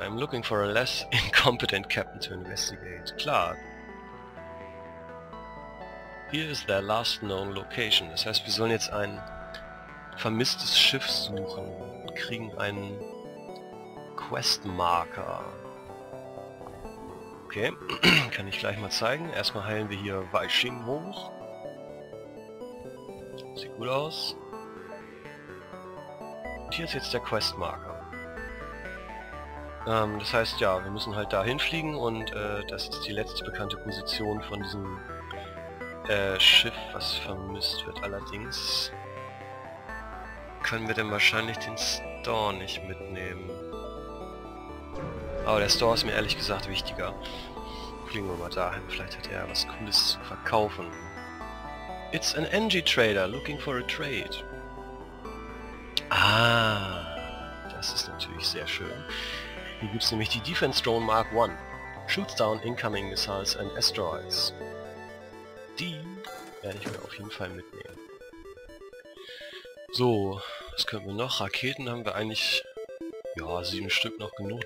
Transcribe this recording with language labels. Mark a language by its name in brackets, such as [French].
[English] I'm looking for a less incompetent captain to investigate. [German] Klar. [English] Here is their last known location. [German] Das heißt, wir sollen jetzt ein vermisstes Schiff suchen und kriegen einen Questmarker. Okay, kann ich gleich mal zeigen. Erstmal heilen wir hier Weishing hoch. Sieht gut aus. Und hier ist jetzt der Questmarker. Das heißt, ja, wir müssen halt da hinfliegen und das ist die letzte bekannte Position von diesem Schiff, was vermisst wird. Allerdings können wir dann wahrscheinlich den Store nicht mitnehmen. Aber der Store ist mir ehrlich gesagt wichtiger. Fliegen wir mal dahin, vielleicht hat er was Cooles zu verkaufen. [English] It's an energy trader looking for a trade. [German] Ah, das ist natürlich sehr schön. Hier gibt es nämlich die Defense Drone Mark 1. [English] Shoots down incoming missiles and asteroids. [German] Die werde ich mir auf jeden Fall mitnehmen. So, was können wir noch? Raketen haben wir eigentlich... Ja, 7 Stück noch genug.